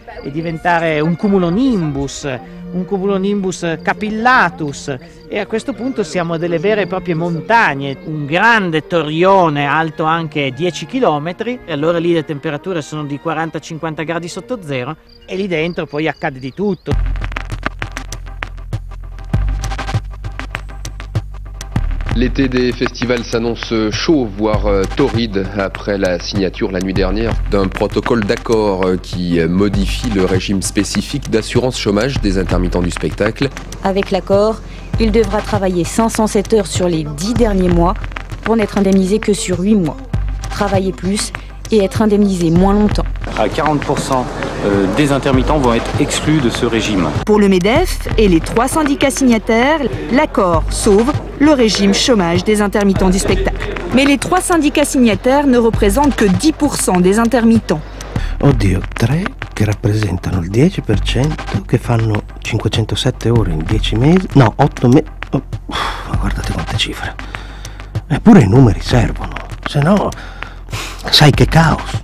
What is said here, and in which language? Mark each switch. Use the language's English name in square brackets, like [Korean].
[Italian] e diventare un cumulonimbus, capillatus, e a questo punto siamo delle vere e proprie montagne, un grande torrione alto anche 10 chilometri, e allora lì le temperature sono di 40-50 gradi sotto zero e lì dentro poi accade di tutto. [French] L'été des festivals s'annonce chaud, voire torride, après la signature la nuit dernière d'un protocole d'accord qui modifie le régime spécifique d'assurance chômage des intermittents du spectacle. Avec l'accord, il devra travailler 507 heures sur les 10 derniers mois pour n'être indemnisé que sur 8 mois. Travailler plus et être indemnisé moins longtemps. À 40% des intermittents vont être exclus de ce régime. Pour le MEDEF et les trois syndicats signataires, l'accord sauve le régime chômage des intermittents du spectacle. Mais les trois syndicats signataires ne représentent que 10% des intermittents. [Italian] Oddio, tre che rappresentano il 10%, che fanno 507 ore in 10 mesi, no, 8 mesi, ma guardate quante cifre. Eppure i numeri servono, se no, sai che caos.